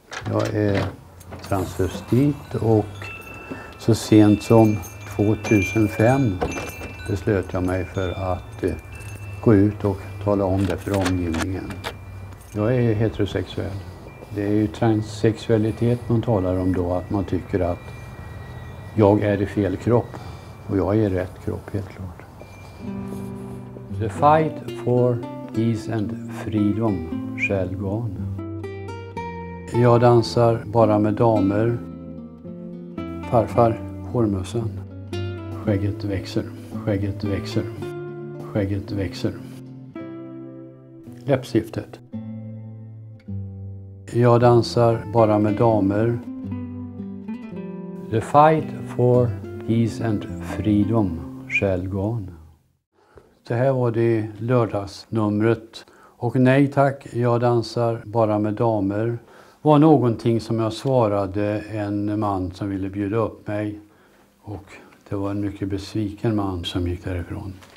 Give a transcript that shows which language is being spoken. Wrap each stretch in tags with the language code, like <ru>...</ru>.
<sv>Jag är transvestit och så sent som 2005 beslöt jag mig för att gå ut och tala om det för omgivningen. Jag är heterosexuell. Det är ju transsexualitet man talar om då, att man tycker att jag är i fel kropp och jag är i rätt kropp helt klart.</sv> <en>The fight for peace and freedom shall go on.</en> <sv>Jag dansar bara med damer. Farfar, hårmössan. Skägget växer, skägget växer, skägget växer. Läppstiftet. Jag dansar bara med damer.</sv> <en>The fight for peace and freedom shall go on.</en> <sv>Det här var det lördagsnumret. Och nej tack, jag dansar bara med damer. Var någonting som jag svarade en man som ville bjuda upp mig. Och det var en mycket besviken man som gick därifrån.</sv>